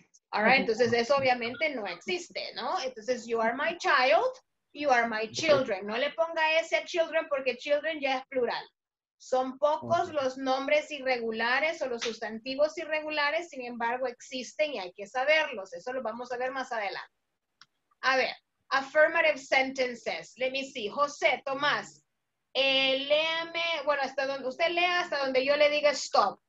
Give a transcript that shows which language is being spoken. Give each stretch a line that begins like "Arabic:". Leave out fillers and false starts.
English: All right,
Spanish: entonces eso obviamente no existe, ¿no? Entonces,
English: you are my child, you are my children.
Spanish: No le ponga ese a children porque children ya es plural. Son pocos los nombres irregulares o los sustantivos irregulares, sin embargo, existen y hay que saberlos. Eso lo vamos a ver más adelante. A ver,
English: affirmative sentences. Let me see.
Spanish: José, Tomás, léame, bueno, hasta donde usted lea, hasta donde yo le diga stop.